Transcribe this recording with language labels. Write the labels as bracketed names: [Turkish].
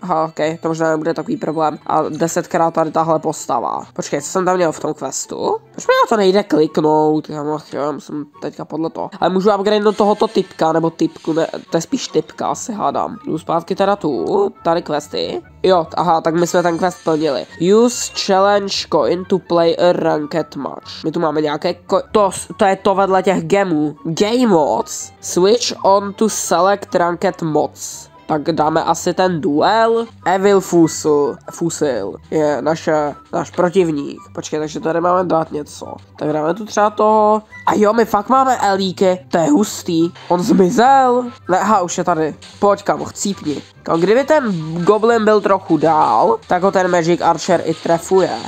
[Czech] Aha, OK, to možná nebude takový problém. A 10krát tady tahle postava. Počkej, co jsem tam měl v tom questu? Proč mi na to nejde kliknout? Já musím teďka podle toho. Ale můžu upgrade do tohoto typka, nebo typku, ne, to je spíš typka, asi hádám. Jdu zpátky teda tu, tady questy. Jo, aha, tak my jsme ten quest plnili. [English] Use challenge coin to play a ranked match. [Czech] My tu máme nějaké to je to vedle těch gemů. [English] Game mods. Switch on to select ranked mods. [Czech] Tak dáme asi ten duel. Evil Fusil je náš protivník. Počkej, takže tady máme dát něco. Tak dáme tu třeba toho. A jo, my fakt máme Elíky. To je hustý. On zmizel. Ne, aha, už je tady. Pojď kam, chcípni. No, kdyby ten goblin byl trochu dál, tak ho ten Magic Archer i trefuje.